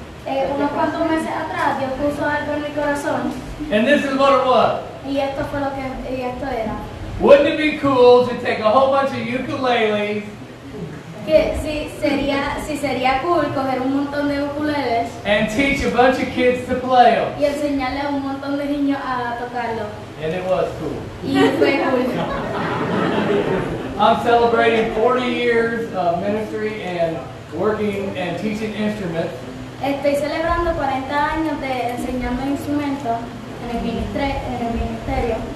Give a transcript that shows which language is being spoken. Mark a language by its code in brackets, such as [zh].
[es] Unos cuantos meses atrás, Dios puso algo en mi corazón. [en] And this is what it was. [es] Y esto fue lo que, y esto era. [en] Wouldn't it be cool to take a whole bunch of ukuleles? [es] Que si sería cool coger un montón de ukuleles. [en] And teach a bunch of kids to play them. [es] Y enseñarle a un montón de niños a tocarlo. [en] And it was cool. [es] Y fue cool. [en] I'm celebrating 40 years of ministry and working and teaching instruments. [es] Estoy celebrando 40 años de enseñando instrumentos en el ministerio.